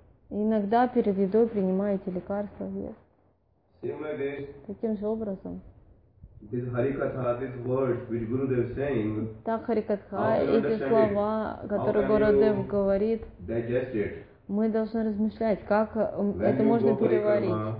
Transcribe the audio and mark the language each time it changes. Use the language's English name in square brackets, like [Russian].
[Russian] Иногда перед едой принимаете лекарства в ес. Таким же образом. [English] This Harikatha, this word which Guru Dev is saying, [Russian] так Харикатха, эти слова, которые Гуру Дев говорит, мы должны размышлять, как это можно переварить.